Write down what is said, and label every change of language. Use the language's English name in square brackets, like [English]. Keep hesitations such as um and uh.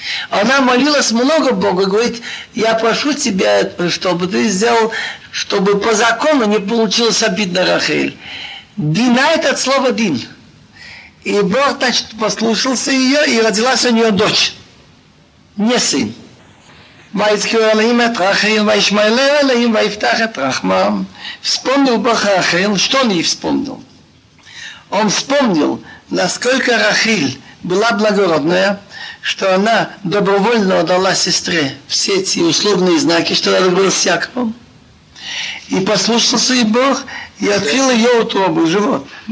[Russian] Она молилась много Бога, говорит, я прошу тебя, чтобы ты сделал, чтобы по закону не получилось обид на Рахель. Дина – это от слова «дин». И Бог, значит, послушался ее, и родилась у нее дочь, не сын. [Hebrew] ויזכירו אלוהים את רחל, וישמעאלו אלוהים, ויפתח את רחמם. [Russian] Вспомнил Бог Рахил, что он ей вспомнил? Он вспомнил, насколько Рахиль была благородная, что она добровольно отдала сестре все эти условные знаки, что надо было с Яковом. И послушался и Бог, и открыл ее утробу, живот.